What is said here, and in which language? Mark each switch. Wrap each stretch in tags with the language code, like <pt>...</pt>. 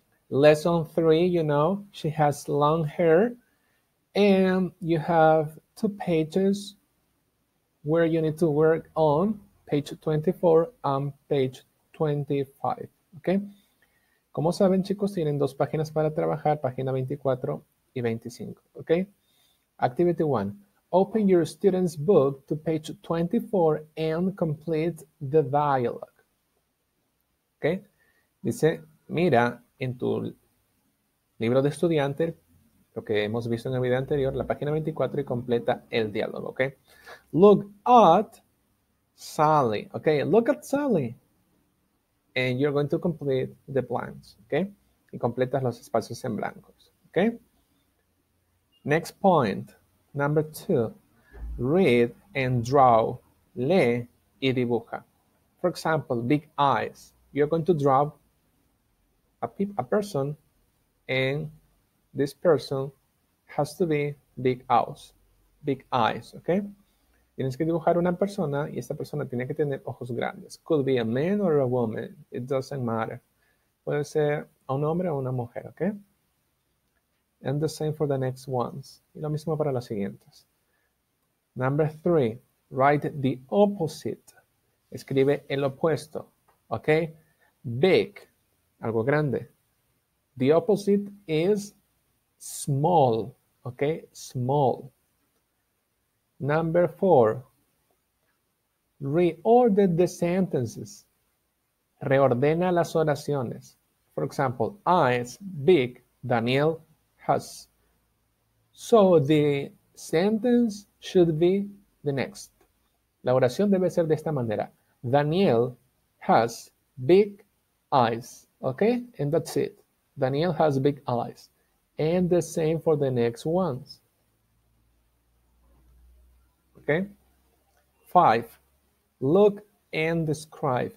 <en>Lesson three, you know, she has long hair and you have two pages where you need to work on page 24 and page 25, okay?</en> <es>Como saben, chicos, tienen dos páginas para trabajar, página 24 y 25, okay?</es> <en>Activity one. Open your student's book to page 24 and complete the dialogue. Okay.</en> <es>Dice, mira en tu libro de estudiante, lo que hemos visto en el video anterior, la página 24 y completa el diálogo.</es> <en>Okay. Look at Sally. Okay. Look at Sally. And you're going to complete the blanks. Okay.</en> <es>Y completas los espacios en blancos.</es> <en>Okay. Next point. Number two, read and draw,</en> <es>lee y dibuja.</es> <en>For example, big eyes. You're going to draw a person and this person has to be big eyes. Big eyes, okay?</en> <es>Tienes que dibujar una persona y esta persona tiene que tener ojos grandes.</es> <en>Could be a man or a woman. It doesn't matter.</en> <es>Puede ser un hombre o una mujer,</es> <en>okay? And the same for the next ones.</en> <es>Y lo mismo para las siguientes.</es> <en>Number three, write the opposite.</en> <es>Escribe el opuesto, okay? Big, algo grande.</es> <en>The opposite is small, okay? Small. Number four, reorder the sentences.</en> <es>Reordena las oraciones.</es> <en>For example, eyes, big, Daniel, has. So the sentence should be the next.</en> <es>La oración debe ser de esta manera.</es> <en>Daniel has big eyes. Okay? And that's it. Daniel has big eyes. And the same for the next ones. Okay? Five. Look and describe.</en>